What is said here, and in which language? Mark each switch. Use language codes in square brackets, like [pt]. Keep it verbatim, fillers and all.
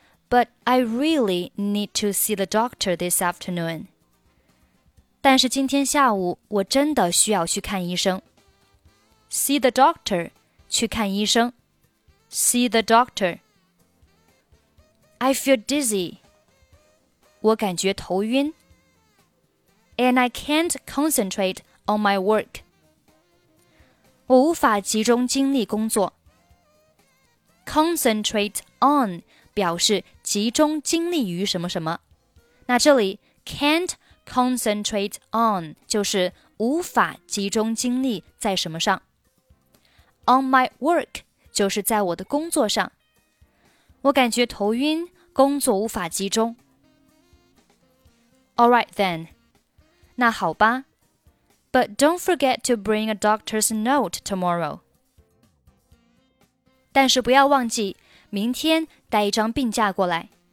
[en] But I really need to see the doctor this afternoon. [zh] 但是今天下午我真的需要去看医生。 [en] See the doctor. 去看医生。 See the doctor. I feel dizzy. 我感觉头晕。 And I can't concentrate. On my work. [zh] 我无法集中精力工作。 Concentrate on 表示集中精力于什么什么。那这里 can't concentrate on 就是无法集中精力在什么上。 On my work 就是在我的工作上。我感觉头晕，工作无法集中。 [en] All right then. 那好吧。 But don't forget to bring a doctor's note tomorrow. [zh] 但是不要忘记，明天带一张病假过来。